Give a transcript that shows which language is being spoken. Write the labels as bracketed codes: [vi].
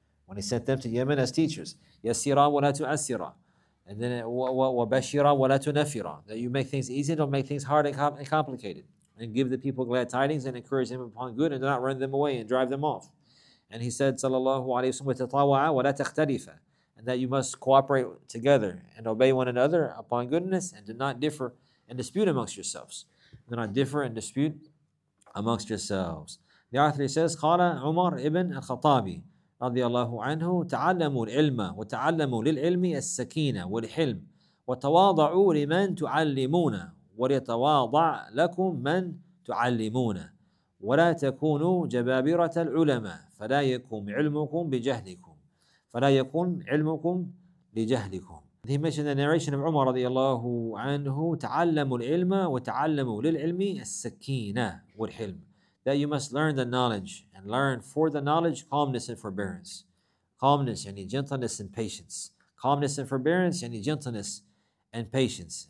[en] When he sent them to Yemen as teachers, [ar] yassira wa la tu'assira, and then wa bashira wa la tunafira, [en] that you make things easy, don't make things hard and complicated, and give the people glad tidings and encourage them upon good, and do not run them away and drive them off. And he said, sallallahu alayhi wa sallam, [ar] tatawa'a wa la takhtalifa, [en] and that you must cooperate together and obey one another upon goodness, and do not differ and dispute amongst yourselves. Do not differ and dispute amongst yourselves. The author says, [ar] qala Umar ibn al-Khattabi رضي الله عنه تعلموا العلم وتعلموا للعلم السكينة والحلم وتواضعوا لمن تعلمون وليتواضع لكم من تعلمون ولا تكونوا جبابرة العلماء فلا يكون علمكم بجهلكم فلا يكون علمكم لجهلكم. [en] He mentioned the narration of Umar رضي الله عنه [ar] تعلموا العلم وتعلموا للعلم السكينة والحلم, [en] that you must learn the knowledge, and learn for the knowledge calmness and forbearance. Calmness, yani gentleness and patience. Calmness and forbearance, yani gentleness and patience.